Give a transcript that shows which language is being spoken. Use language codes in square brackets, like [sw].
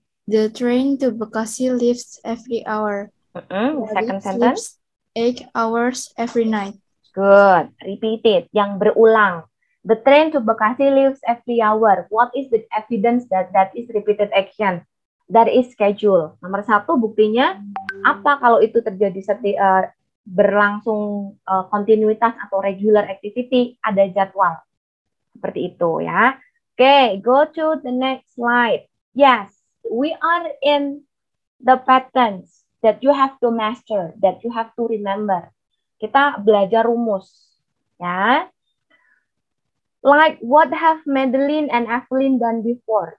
[en] The train to Bekasi leaves every hour. Mm-mm. Second sentence. 8 hours every night. Good. Repeated. [id] Yang berulang. [en] The train to Bekasi leaves every hour. What is the evidence that that is repeated action? That is schedule. [id] Nomor satu, buktinya apa kalau itu terjadi berlangsung kontinuitas atau regular activity, ada jadwal. Seperti itu ya. [en] Oke, okay, go to the next slide. Yes, we are in the patterns that you have to master, that you have to remember. [id] Kita belajar rumus. Ya. [en] Like what have Madeline and Evelyn done before?